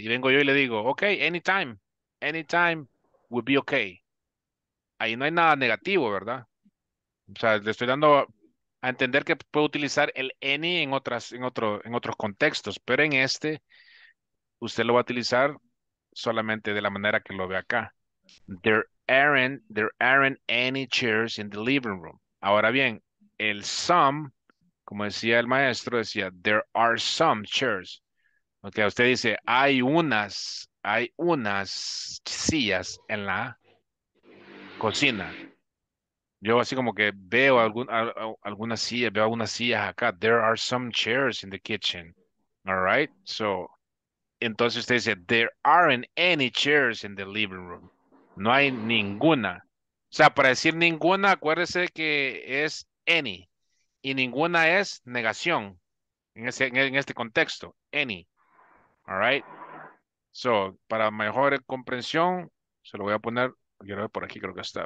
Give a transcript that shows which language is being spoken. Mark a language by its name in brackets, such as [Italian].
[Spanish] Y vengo yo y le digo, [English] ok, anytime will be ok. [Spanish] Ahí no hay nada negativo, ¿verdad? O sea, le estoy dando a entender que puedo utilizar el any en otros contextos, pero en este usted lo va a utilizar solamente de la manera que lo ve acá. [English] There aren't any chairs in the living room. [Spanish] Ahora bien, el some, como decía el maestro, decía, [English] there are some chairs. [Spanish] Ok, usted dice, hay unas sillas en la cocina. Yo así como que veo algunas sillas acá. [English] There are some chairs in the kitchen. All right, so [Spanish] entonces usted dice, [English] there aren't any chairs in the living room. [Spanish] No hay ninguna. O sea, para decir ninguna, acuérdese que es any. Y ninguna es negación. En este contexto, any. [English] All right. [Spanish] So, para mejor comprensión, se lo voy a poner, quiero ver por aquí, creo que está.